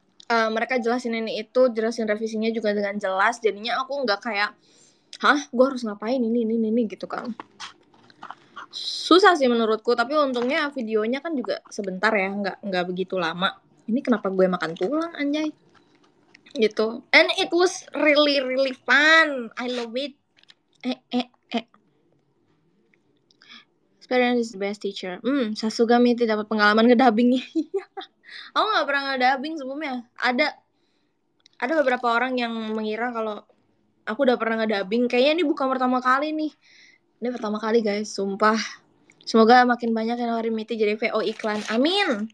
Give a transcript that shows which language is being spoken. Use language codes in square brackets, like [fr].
[id] Mereka jelasin ini itu, jelasin revisinya juga dengan jelas. Jadinya aku nggak kayak, hah, gue harus ngapain ini, gitu kan. Susah sih menurutku, tapi untungnya videonya kan juga sebentar ya, nggak begitu lama. Ini kenapa gue makan tulang, anjay? Gitu. [en] And it was really, really fun. I love it. experience is the best teacher. [id] Sasugami tidak dapat pengalaman ngedubbing. Aku nggak pernah ngedubbing sebelumnya. Ada beberapa orang yang mengira kalau aku udah pernah ngedubbing. Kayaknya ini bukan pertama kali nih. Ini pertama kali guys, sumpah. Semoga makin banyak yang nawarin Miti jadi VO iklan. Amin.